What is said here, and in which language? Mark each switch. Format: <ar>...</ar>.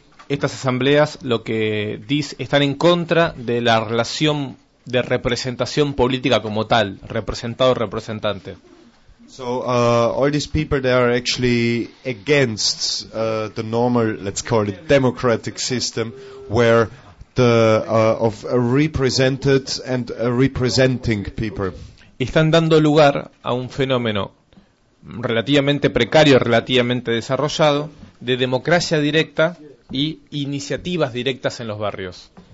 <es>Estas asambleas lo que dice están en contra de la relación de representación política como tal, representado representante.</es> <en>So all these people they are actually against the normal, let's call it democratic system where the of a represented and a representing people.</en> <es>Están dando lugar a un fenómeno relativamente precario, relativamente desarrollado de democracia directa y iniciativas directas en los barrios.</es>